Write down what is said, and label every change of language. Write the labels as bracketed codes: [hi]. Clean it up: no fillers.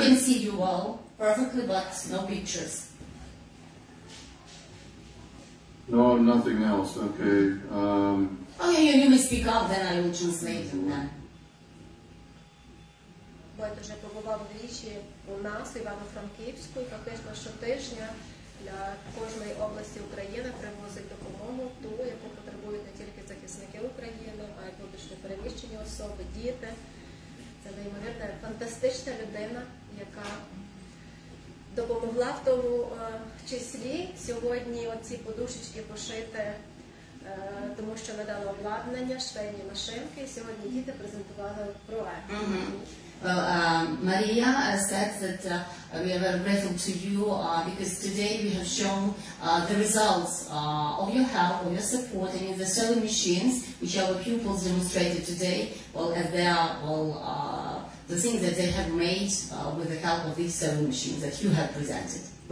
[en] We can see you all perfectly, but no pictures. No, nothing else. Okay. Okay, you may speak up, then I will translate them then. [uk] Бат вже побував двічі у нас, Івано-Франківську, і фактично щотижня для кожної області України привозить допомогу ту, яку потребують не тільки захисники України, а й внутрішньо переміщені особи, діти. Це неймовірна фантастична людина, яка допомогла в тому числі сьогодні оці подушечки пошити, тому що надало обладнання, швейні машинки. Сьогодні діти презентували проект. [en] Well, Maria said that we are very grateful to you because today we have shown the results of your help, of your support, and in the sewing machines which our pupils demonstrated today, well, as they are all the things that they have made with the help of these sewing machines that you have presented.